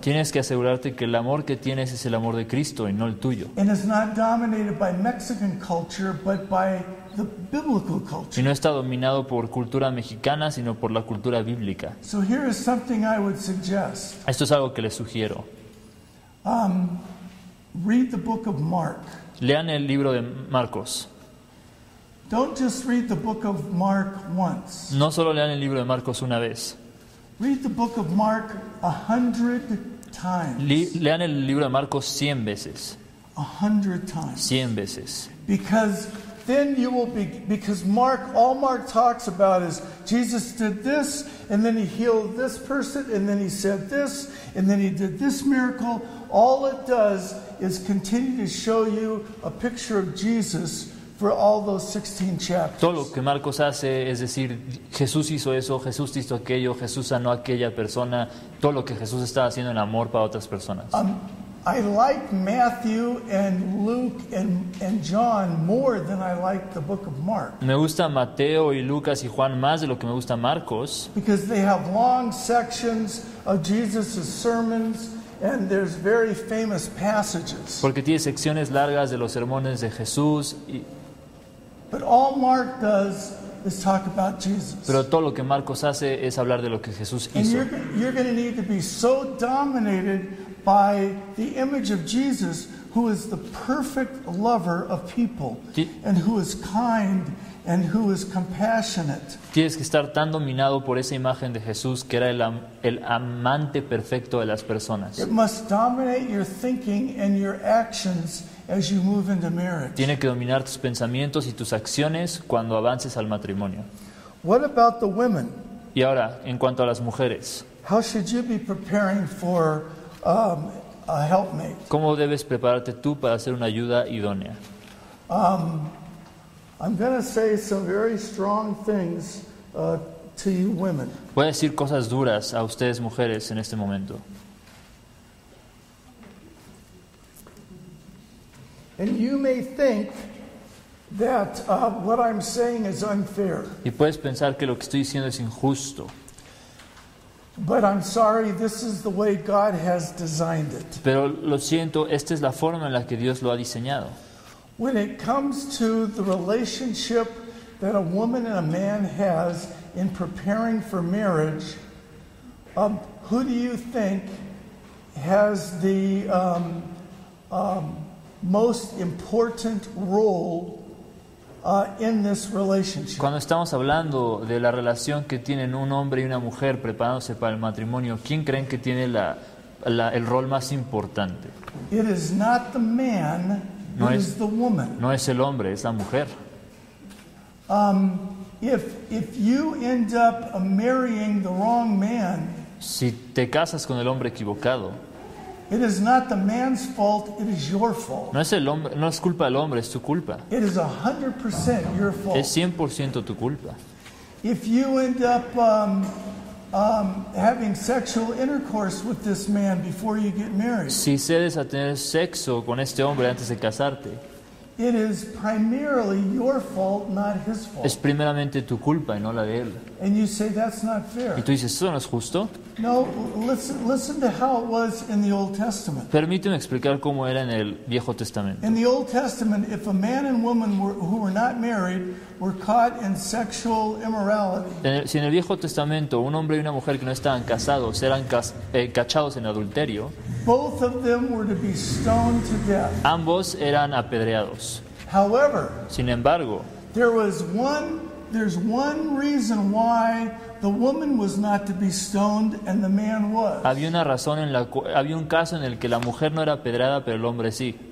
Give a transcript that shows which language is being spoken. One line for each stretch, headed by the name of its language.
Spanish: Tienes que asegurarte que el amor que tienes es el amor de Cristo y no el tuyo.
English: And it's not dominated by Mexican culture, but by the biblical culture.
Spanish: Y no está dominado por cultura mexicana, sino por la cultura bíblica.
English: So here is something I would suggest.
Spanish: Esto es algo que les sugiero.
English: Read the book of Mark.
Spanish: Lean el libro de Marcos.
English: Don't just read the book of Mark once.
Spanish: No solo lean el libro de Marcos una vez.
English: Read the book of Mark 100 times.
Spanish: Lean el libro de Marcos 100 veces.
English: 100 times.
Spanish: 100 veces.
English: Because then you will be, because Mark, all Mark talks about is Jesus did this, and then he healed this person, and then he said this, and then he did this miracle. All it does is continue to show you a picture of Jesus for all those 16 chapters.
Spanish: Todo lo que Marcos hace es decir, Jesús hizo eso, Jesús hizo aquello, Jesús sanó a aquella persona, todo lo que Jesús estaba haciendo en amor para otras personas.
English: I like Matthew and Luke and John more than I like the book of Mark.
Spanish: Me gusta Mateo y Lucas y Juan más de lo que me gusta Marcos.
English: Because they have long sections of Jesus' sermons and there's very famous passages.
Spanish: Porque tiene secciones largas de los sermones de Jesús y...
English: But all Mark does is talk about Jesus.
Spanish: Pero todo lo que Marcos hace es hablar de lo que Jesús hizo.
English: And you're going to need to be so dominated by the image of Jesus, who is the perfect lover of people, and who is kind, and who is compassionate.
Spanish: Tienes que estar tan dominado por esa imagen de Jesús que era el amante perfecto de las personas.
English: It must dominate your thinking and your actions as you move into marriage.
Spanish: Tiene que dominar tus pensamientos y tus acciones cuando avances al matrimonio.
English: What about the women?
Spanish: Y ahora, en cuanto a las mujeres.
English: How should you be preparing for a helpmate?
Spanish: ¿Cómo debes prepararte tú para ser una ayuda idónea?
English: I'm going to say some very strong things to you women.
Spanish: Voy a decir cosas duras a ustedes mujeres en este momento.
English: And you may think that what I'm saying is unfair.
Spanish: Y puedes pensar que lo que estoy diciendo es injusto.
English: But I'm sorry, this is the way God has designed it.
Spanish: Pero lo siento, esta es la forma en la que Dios lo ha diseñado.
English: When it comes to the relationship that a woman and a man has in preparing for marriage, who do you think has the most important role in this relationship?
Spanish: Cuando estamos hablando de la relación que tienen un hombre y una mujer preparándose para el matrimonio, ¿quién creen que tiene el rol más importante?
English: It is not the man, no it is the woman.
Spanish: No es el hombre, es la mujer.
English: If you end up marrying the wrong man,
Spanish: si te casas con el hombre equivocado,
English: it is not the man's fault, it is your fault.
Spanish: No es el hombre, no es culpa del hombre, es tu culpa.
English: It is 100% your fault.
Spanish: Es 100% tu culpa.
English: If you end up having sexual intercourse with this man before you get married,
Spanish: si cedes a tener sexo con este hombre antes de casarte,
English: it is primarily your fault, not his fault.
Spanish: Es primeramente tu culpa y no la de él.
English: And you say that's not fair.
Spanish: Y tú dices, eso no es justo.
English: No, listen to how it was in the Old Testament.
Spanish: Permíteme explicar cómo era en el Viejo Testamento.
English: In the Old Testament, if a man and woman who were not married were caught in sexual immorality.
Spanish: Si en el Viejo Testamento un hombre y una mujer que no estaban casados eran cachados en adulterio,
English: both of them were to be stoned to death.
Spanish: Ambos eran apedreados.
English: However,
Spanish: sin embargo,
English: there's one reason why the woman was not to be stoned and the man was.
Spanish: Había un caso en el que la mujer no era apedreada, pero el hombre sí.